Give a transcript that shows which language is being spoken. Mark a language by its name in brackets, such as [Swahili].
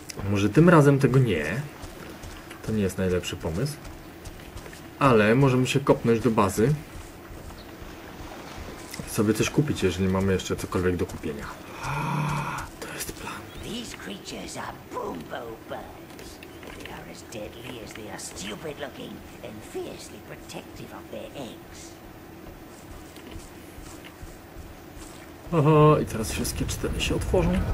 [Polish] Może tym razem tego nie. To nie jest najlepszy pomysł. Ale możemy się kopnąć do bazy. I sobie coś kupić, jeżeli mamy jeszcze cokolwiek do kupienia. To jest plan. [English] These creatures are boombo birds. They are as deadly as they are stupid looking and fiercely protective of their eggs. [Polish] Oho, i teraz wszystkie cztery się otworzą.